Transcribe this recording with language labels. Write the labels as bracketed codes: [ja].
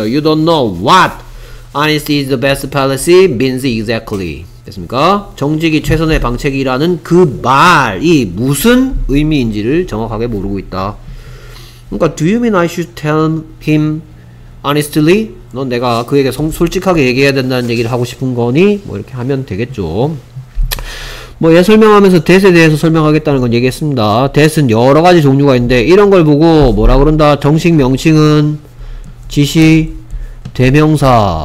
[en] You don't know what honesty is the best policy means exactly. [ko] 됐습니까? 정직이 최선의 방책이라는 그 말이 무슨 의미인지를 정확하게 모르고 있다. 그러니까 [en] do you mean I should tell him honestly? [ko] 넌 내가 그에게 솔직하게 얘기해야 된다는 얘기를 하고 싶은 거니? 뭐 이렇게 하면 되겠죠. 뭐 얘 설명하면서 that에 대해서 설명하겠다는 건 얘기했습니다. that은 여러 가지 종류가 있는데 이런 걸 보고 뭐라 그런다? 정식 명칭은 지시 대명사.